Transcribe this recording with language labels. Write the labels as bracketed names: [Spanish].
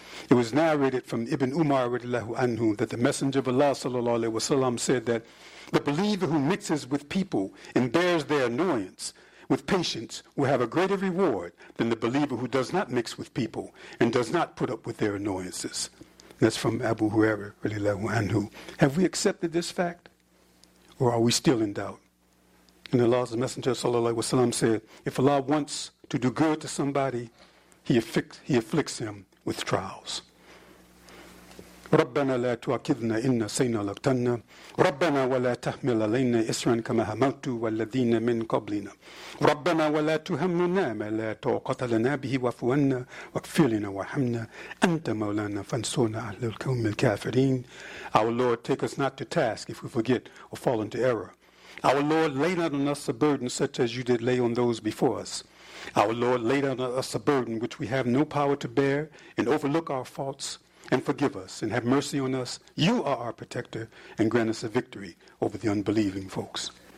[English] It was narrated from Ibn Umar radiallahu anhu that the Messenger of Allah sallallahu alaihi wasallam said that the believer who mixes with people and bears their annoyance with patience will have a greater reward than the believer who does not mix with people and does not put up with their annoyances. That's from Abu Huraira radiallahu anhu. Have we accepted this fact, or are we still in doubt? And Allah's Messenger sallallahu alaihi wasallam said, if Allah wants to do good to somebody, he afflicts him with trials. [Arabic] ربنا لا تؤاخذنا إن نسينا أو أخطأنا ربنا ولا تحمل علينا إصرا كما حملت والذين من قبلنا ربنا ولا تهمنا ما لا طاقة لنا به واعف عنا واغفر لنا وارحمنا أنت مولانا فانصرنا على القوم الكافرين. [English] Our Lord, take us not to task if we forget or fall into error. Our Lord, lay not on us a burden such as you did lay on those before us. Our Lord, lay on us a burden which we have no power to bear, and overlook our faults, and forgive us, and have mercy on us. You are our protector, and grant us a victory over the unbelieving folks.